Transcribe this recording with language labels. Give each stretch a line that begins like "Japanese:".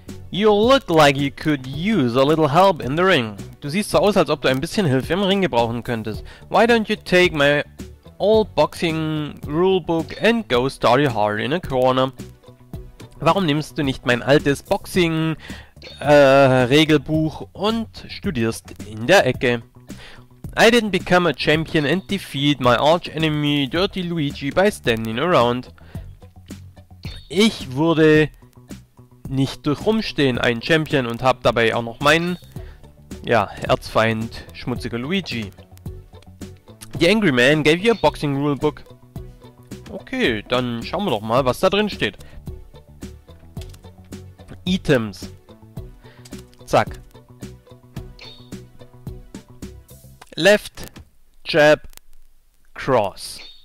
English: You look like you could use a little help in the ring.
German: Du siehst so aus, als ob du ein bisschen Hilfe im Ring gebrauchen könntest.
English: Why don't you take my old boxing rulebook and go study hard in a corner?
German: Warum nimmst du nicht mein altes Boxing Regelbuch und studierst in der Ecke?
English: I didn't become a champion and defeat my arch enemy Dirty Luigi by standing around.
German: Ich wurde nicht durch Rumstehen ein Champion und hab dabei auch noch meinen, ja, Erzfeind, schmutziger Luigi.
English: The Angry Man gave you a boxing rulebook.
German: Okay, dann schauen wir doch mal, was da drin steht.
English: Items. Zack. Left, Jab, Cross.